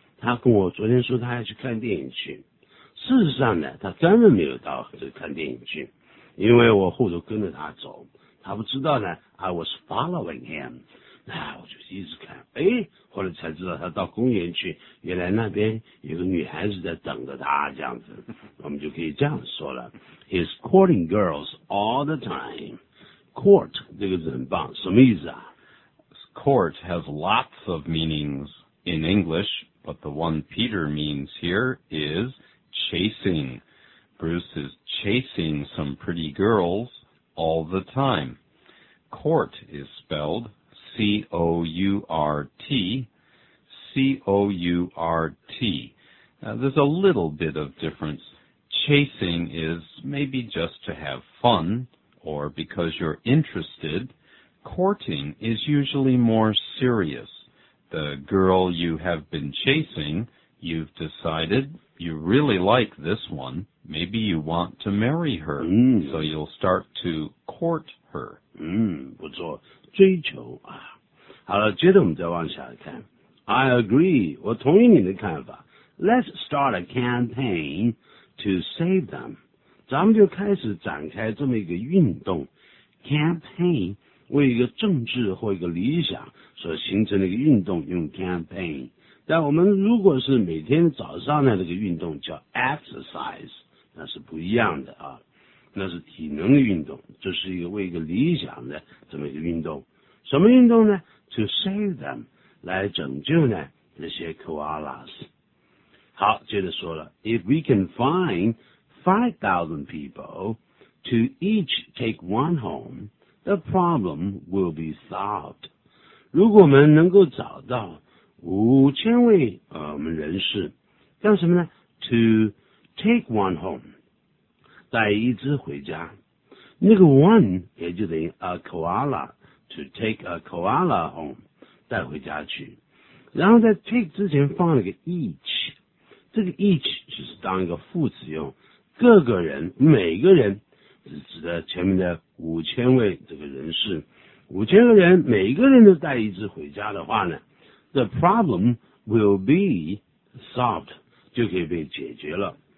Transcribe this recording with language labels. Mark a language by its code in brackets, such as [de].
[zh] 他跟我昨天说他要去看电影去，事实上呢他根本没有到看电影去，因为我后头跟着他走，他不知道呢 [en] I was following him。 [zh] 那我就一直看，哎，后来才知道他到公园去，原来那边有个女孩子在等着他，这样子我们就可以这样说了。 [en] He's courting girls all the time。 [zh] Court 这个字很棒，什么意思啊？ [en] Court has lots of meanings in English, but the one Peter means here is chasing. Bruce is chasing some pretty girls all the time. Court is spelled C-O-U-R-T, C-O-U-R-T. Now, there's a little bit of difference. Chasing is maybe just to have fun or because you're interested. Courting is usually more serious. The girl you have been chasing, you've decided you really like this one. Maybe you want to marry her,so you'll start to court her. [zh] 不错，追求啊。好了，接着我们再往下看。 [en] I agree, [zh] 我同意你的看法。 [en] Let's start a campaign to save them. [zh] 咱们就开始展开这么一个运动。Campaign,为一个政治或一个理想所形成的一个运动用 campaign。但我们如果是每天早上的这个运动叫 exercise， 那是不一样的啊，那是体能的运动，这是一个为一个理想的这么一个运动。什么运动呢？ [en] To save them， [zh] 来拯救呢那些 koalas。好，接着说了， [en] If we can find 5,000 people to each take one homeThe problem will be solved. [zh] 如果我们能够找到5000位我们人士，干什么呢？ [en] To take one home， [zh] 带一只回家。那个 one 也就等于 a koala， [en] to take a koala home， [zh] 带回家去。然后在 take 之前放了个 each， 这个 each 就是当一个副词用，各个人，每个人。指的前面的5000位这个人士，5000个人，每个人都带一只回家的话呢， [en] The problem will be solved， [zh] 就可以被解决了。